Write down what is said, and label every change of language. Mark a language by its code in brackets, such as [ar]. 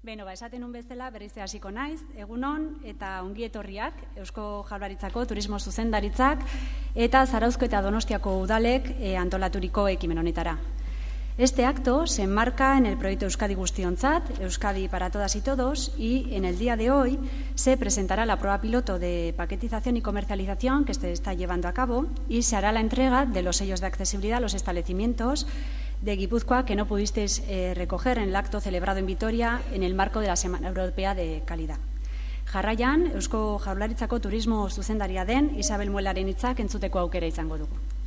[eu] Beno, ba, esaten un bezala berriz hasiko naiz, egunon eta ongi etorriak Eusko Jaurlaritzako Turismo Zuzendaritzak eta Zarauzko eta Donostiako udalek antolaturiko ekimen honetara. [es] Este acto se enmarca en el proyecto Euskadi Guztiontzat, Euskadi para todas y todos, y en el día de hoy se presentará la prueba piloto de paquetización y comercialización que se está llevando a cabo y se hará la entrega de los sellos de accesibilidad a los establecimientos de Guipúzcoa que no pudisteis recoger en el acto celebrado en Vitoria en el marco de la Semana Europea de Calidad. [eu] Jarraian, Eusko Jaurlaritzako Turismo Zuzendaria den Isabel Muelaren hitzak entzuteko aukera izango dugu.